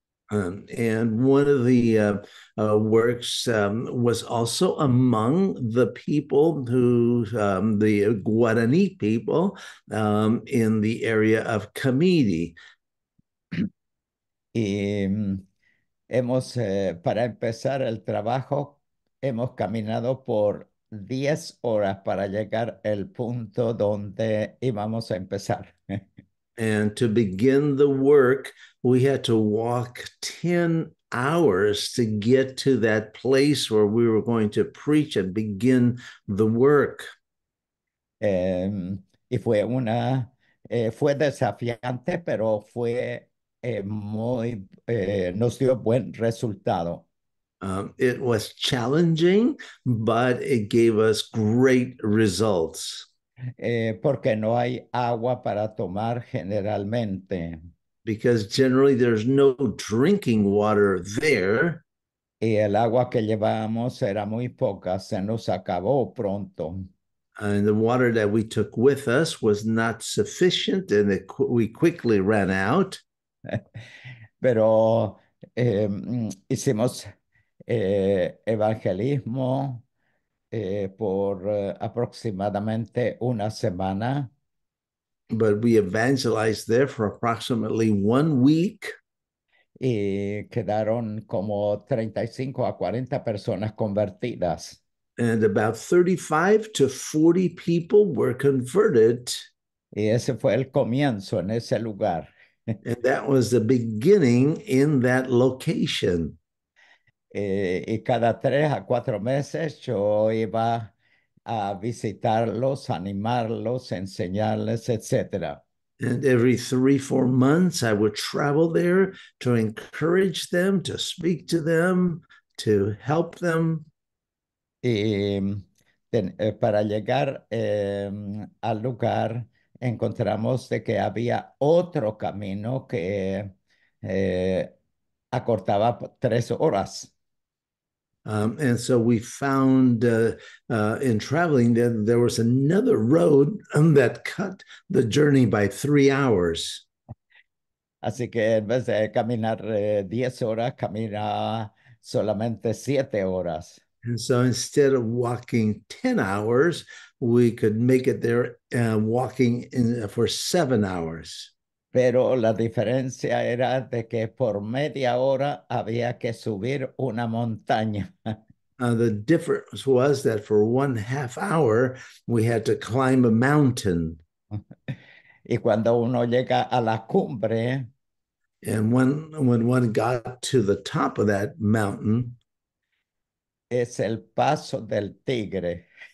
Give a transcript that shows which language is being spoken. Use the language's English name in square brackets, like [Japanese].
[English] And one of the works was also among the people who the Guarani people in the area of Camiri. [Spanish] Y hemos, para empezar el trabajo, hemos caminado por 10 horas para llegar al punto donde íbamos a empezar. [English] And to begin the work, we had to walk 10 hours to get to that place where we were going to preach and begin the work. [Spanish] Y fue una, fue desafiante, pero fue muy nos dio buen resultado. [English] It was challenging, but it gave us great results. [Spanish] Porque no hay agua para tomar generalmente. [English] Because generally there's no drinking water there. [Spanish] Y el agua que llevábamos era muy poca, se nos acabó pronto. [English] And the water that we took with us was not sufficient, and we quickly ran out. [Spanish] Pero hicimos evangelismo por aproximadamente una semana. [English] But we evangelized there for approximately 1 week. [Spanish] Y quedaron como 35 a 40 personas convertidas. [English] And about 35 to 40 people were converted. [Spanish] Y ese fue el comienzo en ese lugar. [English] And that was the beginning in that location. [Spanish] Y cada 3 a 4 meses yo iba a visitarlos, animarlos, enseñarles, etc. [English] And every 3-4 months, I would travel there to encourage them, to speak to them, to help them. [Spanish] Y para llegar al lugar, encontramos de que había otro camino que acortaba 3 horas. [English] And so we found in traveling that there was another road that cut the journey by 3 hours. [Spanish] Así que en vez de caminar 10 horas, camina solamente 7 horas. [English] And so instead of walking 10 hours, we could make it there walking for 7 hours. [Spanish] Pero la diferencia era de que por media hora había que subir una montaña. [English] The difference was that for 1/2 hour, we had to climb a mountain. [Spanish] Y cuando uno llega a la cumbre, [English] And when one got to the top of that mountain, [Spanish] es el paso del tigre.